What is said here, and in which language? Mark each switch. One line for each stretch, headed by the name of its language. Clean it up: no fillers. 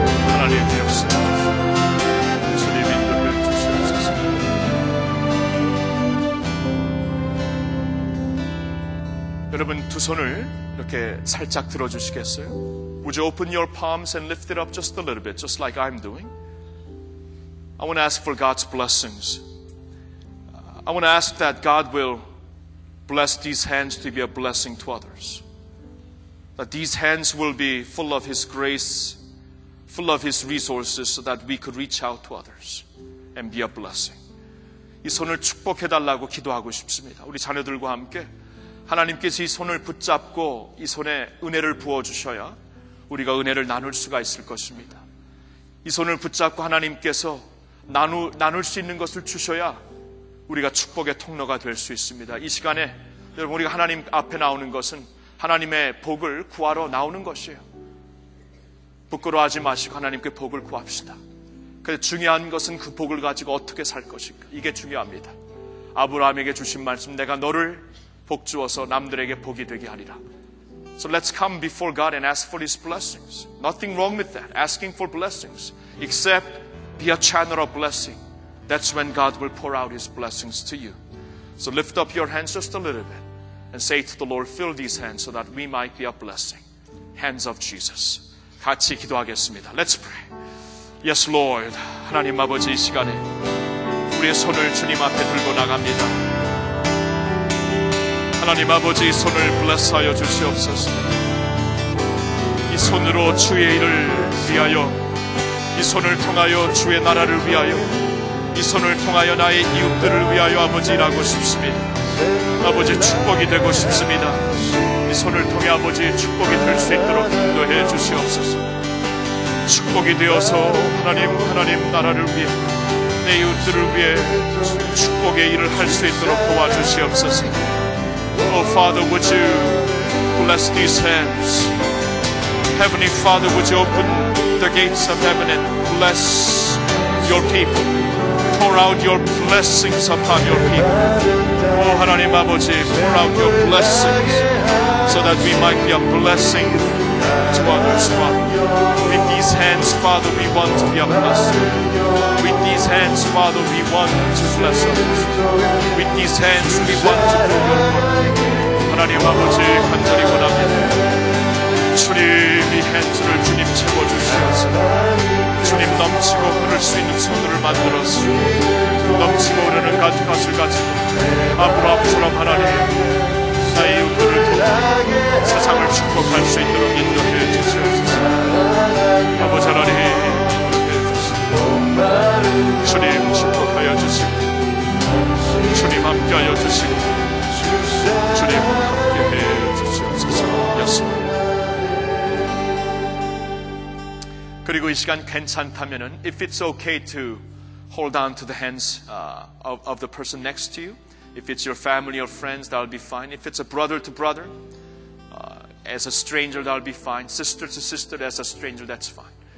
Korean: 하나님 역사 주님 인도해 주시옵소서. 여러분 두 손을 이렇게 살짝 들어주시겠어요?
English: Would you open your palms and lift it up just a little bit, just like I'm doing? I want to ask for God's blessings. I want to ask that God will bless these hands to be a blessing to others. That these hands will be full of His grace, full of His resources, so that we could reach out to others and be a blessing.
Korean: 이 손을 축복해달라고 기도하고 싶습니다. 우리 자녀들과 함께 하나님께서 이 손을 붙잡고 이 손에 은혜를 부어주셔야 우리가 은혜를 나눌 수가 있을 것입니다. 이 손을 붙잡고 하나님께서 나눌 수 있는 것을 주셔야 우리가 축복의 통로가 될 수 있습니다. 이 시간에 여러분 우리가 하나님 앞에 나오는 것은 하나님의 복을 구하러 나오는 것이에요. 부끄러워하지 마시고 하나님께 복을 구합시다. 그런데 중요한 것은 그 복을 가지고 어떻게 살 것인가. 이게 중요합니다. 아브라함에게 주신 말씀, 내가 너를 복 주어서 남들에게 복이 되게 하리라.
English: So let's come before God and ask for His blessings. Nothing wrong with that. Asking for blessings. Except be a channel of blessing. That's when God will pour out His blessings to you. So lift up your hands just a little bit and say to the Lord, fill these hands so that we might be a blessing. Hands of Jesus.
Korean: 같이 기도하겠습니다.
English: Let's pray. Yes, Lord.
Korean: 하나님 아버지 이 시간에 우리의 손을 주님 앞에 들고 나갑니다. 하나님 아버지 이 손을 블레스하여 주시옵소서. 이 손으로 주의 일을 위하여, 이 손을 통하여 주의 나라를 위하여, 이 손을 통하여 나의 이웃들을 위하여 아버지 일하고 싶습니다. 아버지 축복이 되고 싶습니다. 이 손을 통해 아버지 축복이 될 수 있도록 인도해 주시옵소서. 축복이 되어서 하나님 나라를 위해, 내 이웃들을 위해 축복의 일을 할 수 있도록 도와주시옵소서.
English: Oh Father, would you bless these hands? Heavenly Father, would you open the gates of heaven and bless your people? Pour out your blessings upon your people. Oh
Korean: 하나님 아버지,
English: pour out your blessings so that we might be a blessing to others. With these hands, Father, we want to be a blessing. With these hands, Father, we want to bless others. With these hands, we want to do your work.
Korean: 하나님 아버지 간절히 원합니다. 주님 이 핸들을 주님 채워주시옵소서. 주님 넘치고 흐를 수 있는 손으로 만들어서 넘치고 흐르는 가득하실 가지고 아브라함처럼 하나님 나의 이웃들을 통해 세상을 축복할 수 있도록 인도해 주시옵소서. 아버지 하나님 인도해 주시옵소서. 주님 축복하여 주시고 주님 함께하여 주시고 주님 함께해 주시옵소서. 예수님. 그리고 이 시간 괜찮다면은
English: if it's okay to hold on to the hands of the person next to you, if it's your family or friends, that'll be fine. If it's a brother to brother, as a stranger, that'll be fine. Sister to sister, as a stranger, that's fine.